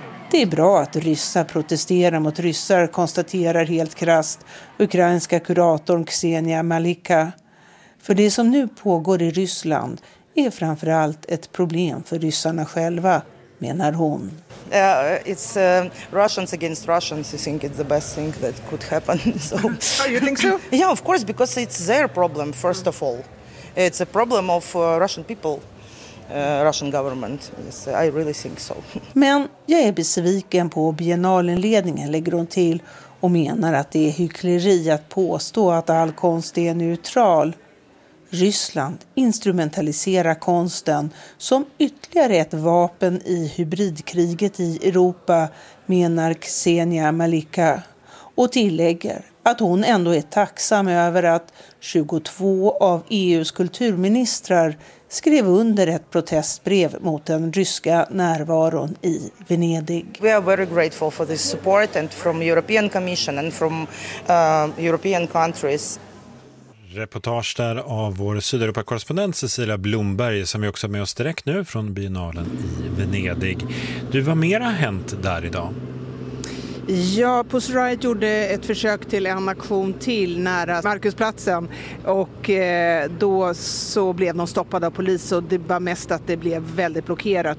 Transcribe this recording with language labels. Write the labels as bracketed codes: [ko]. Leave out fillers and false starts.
[sv] Det är bra att ryssar protesterar mot ryssar, konstaterar helt krasst ukrainska kuratorn Ksenia Malicha. För det som nu pågår i Ryssland är framförallt ett problem för ryssarna själva, menar hon. [en] It's Russians against Russians. I think it's the best thing that could happen. So. Oh, you think so? Yeah, of course, because it's their problem, first of all. It's a problem of Russian people. Russian government. Yes, I really think so. [sv] Men jag är besviken på biennalenledningen, lägger hon till, och menar att det är hyckleri att påstå att all konst är neutral. Ryssland instrumentaliserar konsten som ytterligare ett vapen i hybridkriget i Europa, menar Ksenia Malika, och tillägger att hon ändå är tacksam över att 22 av EU:s kulturministrar skrev under ett protestbrev mot den ryska närvaron i Venedig. [en] We are very grateful for this support and from European Commission and from European countries. [sv] Reportage där av vår Sydeuropa-korrespondent Cecilia Blomberg, som är också med oss direkt nu från biennalen i Venedig. Du, vad mer har hänt där idag? Ja, Pussy Riot gjorde ett försök till en aktion till nära Markusplatsen, och då så blev de stoppade av polis, och det var mest att det blev väldigt blockerat.